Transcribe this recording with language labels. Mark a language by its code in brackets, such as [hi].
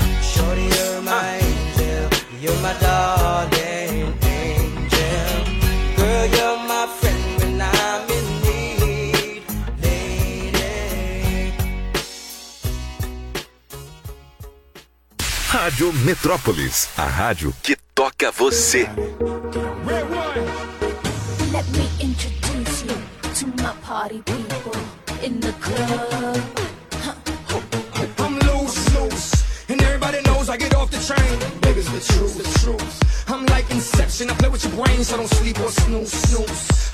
[en] Shorty, you're my angel. You're my darling angel. Girl, you're my friend when I'm in need, lady. [pt] Rádio Metrópolis, a rádio que toca você. [en] Let me introduce you to my party people in the club. The truth. I'm like Inception. I play with your brain, so don't sleep or snooze.